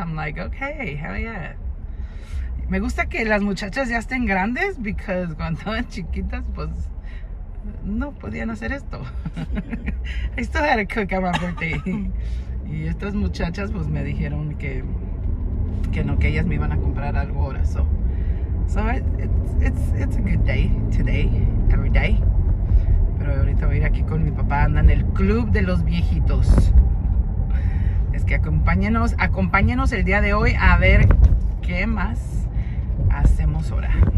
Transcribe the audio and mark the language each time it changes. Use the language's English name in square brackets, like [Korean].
[English] I'm like, okay, hell yeah. [Spanish] Me gusta que las muchachas ya estén grandes, because cuando eran chiquitas, pues no podían hacer esto. [English] I still had to cook at my birthday. [Spanish] Y estas muchachas pues me dijeron que no, que ellas me iban a comprar algo ahora. [English] So it's a good day today, every day. [Spanish] Pero ahorita voy a ir aquí con mi papá, anda en el club de los viejitos. Es que acompáñenos el día de hoy a ver qué más hacemos ahora.